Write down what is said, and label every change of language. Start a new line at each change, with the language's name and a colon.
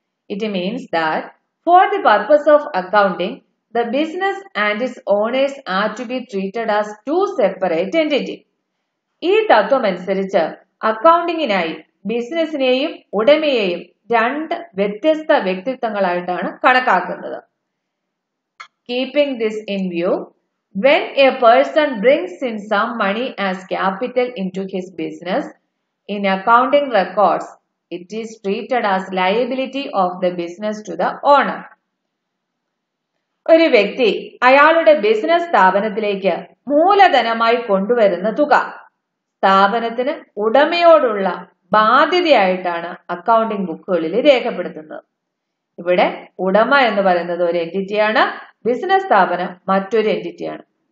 English: It means that for the purpose of accounting the business and its owners are to be treated as two separate entity.
Malayalam: ഈ തത്വം അനുസരിച്ച് അക്കൗണ്ടിങ്ങിനായി ബിസിനസിനെയും ഉടമയെയും രണ്ട് വ്യത്യസ്ത വ്യക്തിത്വങ്ങളായിട്ടാണ് കണക്കാക്കുന്നത്.
English: Keeping this in view, when a person brings in some money as capital into his business, in accounting records, it is treated as liability of the business to the owner.
Malayalam: ഒരു വ്യക്തി അയാളുടെ business സ്ഥാപനത്തിലേക്ക് മൂലധനമായി കൊണ്ടുവരുന്ന തുക സ്ഥാപനത്തിന് ഉടമയോടുള്ള ബാധ്യതയായിട്ടാണ് accounting ബുക്കുകളിൽ രേഖപ്പെടുത്തുന്നത്. ഇവിടെ ഉടമ എന്ന് പറയുന്നത് ഒരു എന്റിറ്റിയാണ്, ബിസിനസ് സ്ഥാപനം മറ്റൊരു എന്റിറ്റിയാണ്.